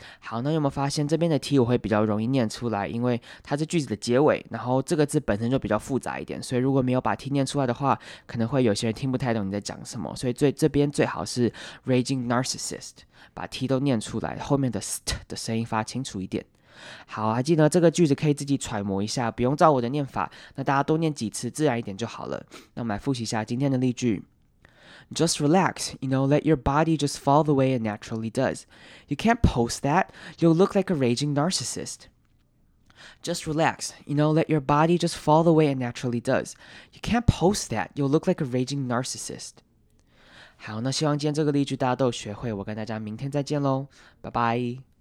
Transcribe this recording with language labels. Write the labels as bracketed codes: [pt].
[zh] 好，那有没有发现这边的 t 我会比较容易念出来，因为它是句子的结尾，然后这个字本身就比较复杂一点，所以如果没有把 t 念出来的话，可能会有些人听不太懂你在讲什么，所以这边最好是 raging narcissist， 把 t 都念出来，后面的 st 的声音发清楚一点。好，还记得这个句子可以自己揣摩一下，不用照我的念法，那大家多念几次自然一点就好了。那我们来复习一下今天的例句。 [en] Just relax, you know, let your body just fall the way it naturally does. You can't post that, you'll look like a raging narcissist. Just relax, you know, let your body just fall the way it naturally does. You can't post that, you'll look like a raging narcissist. [zh] 好，那希望今天这个例句大家都学会，我跟大家明天再见咯，拜拜。